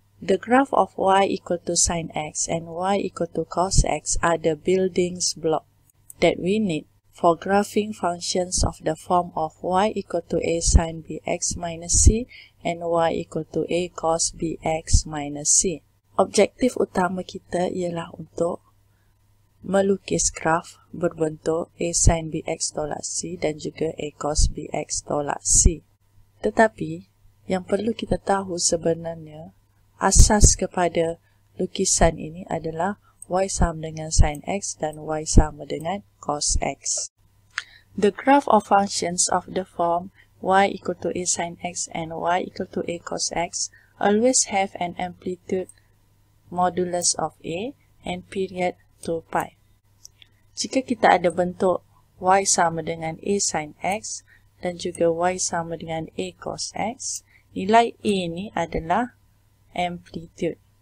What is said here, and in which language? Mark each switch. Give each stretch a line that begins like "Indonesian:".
English: The graph of y equal to sine x and y equal to cos x are the building blocks that we need for graphing functions of the form of y equal to a sine bx minus c and y equal to a cos bx minus c.
Malay: Objektif utama kita ialah untuk melukis graf berbentuk a sine bx tolak c dan juga a cos bx tolak c. Tetapi, yang perlu kita tahu sebenarnya, asas kepada lukisan ini adalah y sama dengan sine x dan y sama dengan cos x.
English: The graph of functions of the form y equal to a sine x and y equal to a cos x always have an amplitude modulus of a and period 2 pi.
Malay: Jika kita ada bentuk y sama dengan a sine x dan juga y sama dengan a cos x, nilai a ini adalah amplitude.